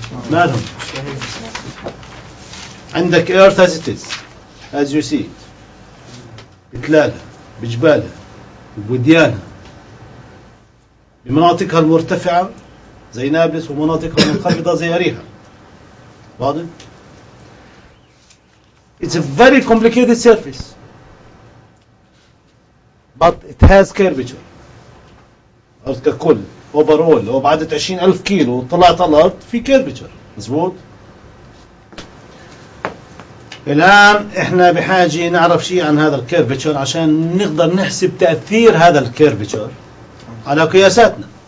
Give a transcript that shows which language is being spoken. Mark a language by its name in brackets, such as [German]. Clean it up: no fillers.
[Arabic] مالهم؟ عندك ايرث از ات از از يو سي بتلالها بجبالها بوديانها بمناطقها المرتفعه زي نابلس ومناطق منخفضة زي أريحة. [English] واضح؟ It's a very complicated surface but it has curvature. [Arabic] عرض ككل overall لو بعدت 20,000 كيلو طلعت على الأرض في curvature مزبوط؟ الآن إحنا بحاجة نعرف شيء عن هذا الكيرفيتشر عشان نقدر نحسب تأثير هذا الكيرفيتشر على قياساتنا.